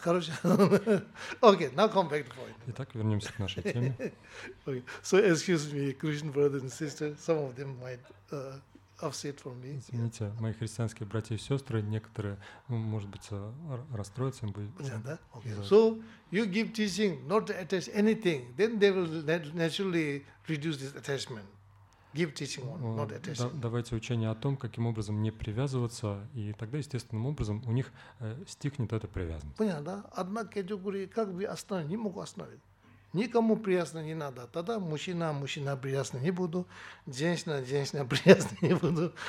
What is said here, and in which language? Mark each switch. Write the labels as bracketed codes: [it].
[ru] Короче, окей, [en] now come back to point. [ru] Итак, вернемся к нашей теме. [en] Okay. So, excuse me, Christian brothers and sisters, some of them might... Offset from me. [ru] Извините, [en] yeah. [ru] Мои христианские братья и сестры, некоторые, может быть, расстроятся, им будет. Понятно, да? Okay. [en] So you give teaching, not attach anything, then they will naturally reduce this attachment. Give teaching on, not attaching. [ru] Давайте учение о том, каким образом не привязываться, и тогда естественным образом у них стихнет эта привязанность. Понятно, да? Однако я говорю, как бы остановить, не могу остановить. Никому приятно не надо. Тогда мужчина, мужчина приятно не буду. Женщина, женщина приятно не буду.